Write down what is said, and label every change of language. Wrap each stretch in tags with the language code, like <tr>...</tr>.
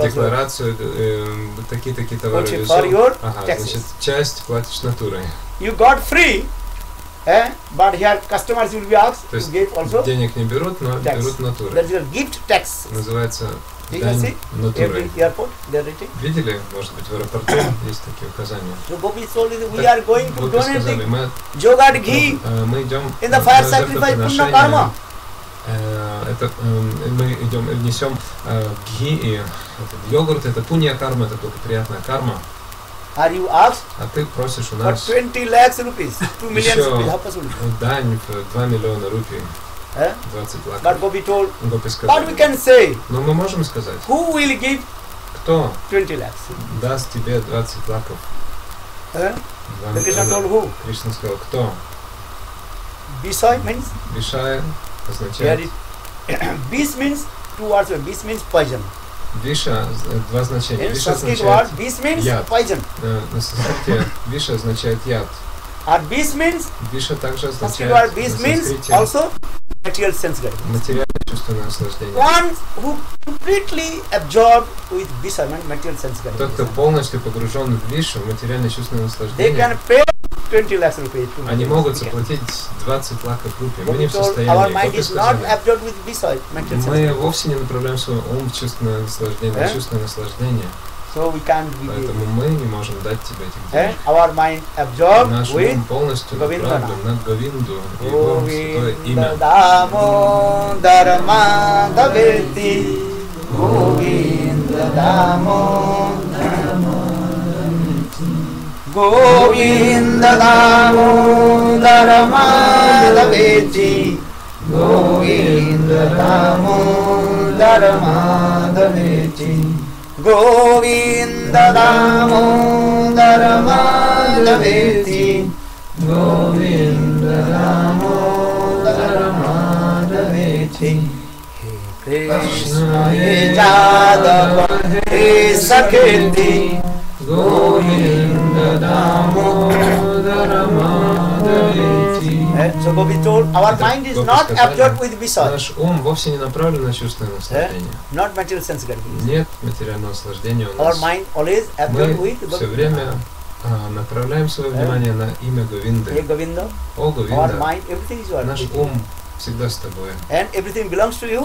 <ru>декларацию, такие-таки товары везут, значит, часть платишь натурой.</ru> <en>You got free, but here customers will be asked to give also.</en> <ru>Денег не берут, но</ru> <en>tax.</en> <ru>Берут натурой.</ru> <en>That's your gift tax.</en> <ru>Называется. Видели, может быть, в аэропорту есть такие указания.</ru> <en>So Gopi told that we are going to donate yogurt ghee.</en> <ru>Мы идем.</ru> <en>In the fire sacrifice,</en> <ru>Пунна Карма. Это мы идем, внесем ghee и йогурт. Это Пунья Карма, это благоприятная карма.</ru> <en>Are you asked?</en> <ru>А ты просишь у нас?</ru> <en>For 20 lakhs rupees, 2 million rupees.</en> <ru>Дань в 2 миллиона рупий. 20 лакхов.</ru> <en>But Gopi told. But we can say.</en> <ru>Но мы можем сказать.</ru> <en>Who will give</en> <ru>Кто?</ru> <en>20 lakhs.</en> <ru>Даст тебе 20 лаков. Кришна сказал,</ru> <en>who?</en> <ru>Кришна сказал, кто?</ru> <en>Бисай means?</en> <ru>Бисай означает?</ru> <en>Бис means two words. Бис means poison.</en> <ru>Виша два значения.</ru> <en>In</en> <ru>Виша</ru> <en>Sanskrit</en> <ru>означает</ru> <en>word, бис means</en> <ru>яд.</ru> <en>Poison.</en> <ru>На санскрите виша означает яд.</ru> <en>А бис means?</en> <ru>Виша также означает.</ru> <en>Sanskrit word бис means also material sense.</en> <ru>Материальное чувство наслаждения.</ru> <en>One who completely absorbed with виша, material sense.</en> <ru>Тот, кто полностью погружен в вишу, материальное чувство наслаждения.</ru> <en>They can pay 20 lakhs rupees.</en> <ru>Они могут заплатить 20 лаков рупий. Мы не в состоянии.</ru> <en>Our mind is not absorbed with this mental sense.</en> <ru>Мы вовсе не направляем свой ум в чувственное наслаждение.</ru> <en>Yeah?</en> <ru>Чувственное наслаждение.</ru> <en>So we can't be.</en> <ru>Поэтому мы не можем дать тебе этих денег.</ru> <en>Yeah? Our mind absorbed</en> <ru>наш</ru> <en>with</en> <ru>ум полностью</ru> <en>Govinda</en> <ru>направлен на Говинду, его святое имя.</ru> <sa>Дамодарма Давети Говинда Дамо. Govinda Damodara Madhaveti Govinda Damodara Madhaveti Govinda Damodara Madhaveti Govinda Damodara Madhaveti He Krishna He Jadava He Saketi Govinda Damodara Madhaveti.</sa> <en>So Gopi told, our mind is not absorbed with Vishaya.</en> <ru>Наш ум вовсе не направлен на чувственное наслаждение.</ru> <en>Not material sense gargis.</en> <ru>Нет материального наслаждения у нас.</ru> <en>Our mind always absorbed with</en> <ru>Govinda. Мы все время направляем свое внимание на имя Говинды.</ru> <en>Hey, Govinda.</en> <ru>О, Говинда.</ru> <en>Our mind, everything is yours.</en> <ru>Наш ум всегда с тобой.</ru> <en>And everything belongs to you,</en>